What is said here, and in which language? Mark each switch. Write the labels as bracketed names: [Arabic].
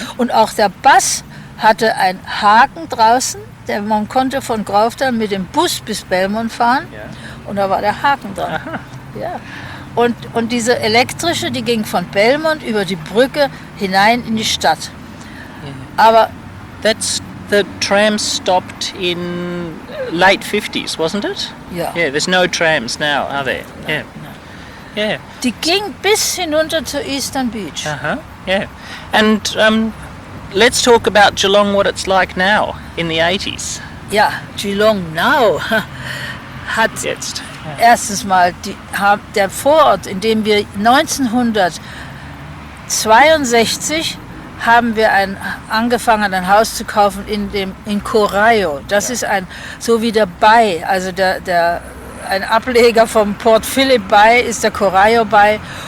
[German] Und auch der Bus hatte einen Haken draußen. Der, man konnte von Grauftal mit dem Bus bis Belmont fahren. Ja. Und da war der Haken dran. Ja. Und diese elektrische, die ging von Belmont über die Brücke hinein in die Stadt. Ja. Aber [English] that's the tram stopped in late 50s, wasn't it? Yeah. Yeah, there's no trams now, are there? No, yeah. No. Yeah. [German] Die ging bis hinunter zu Eastern Beach. [English] Uh-huh. Yeah. And let's talk about Geelong, what it's like now in the 80s. Yeah, Geelong now [German] hat jetzt. Erstens mal der Vorort, in dem wir 1962 haben wir angefangen, ein Haus zu kaufen in Corio. Das ist ein, so wie der Bay, also ein Ableger vom Port Phillip Bay ist der Corio Bay.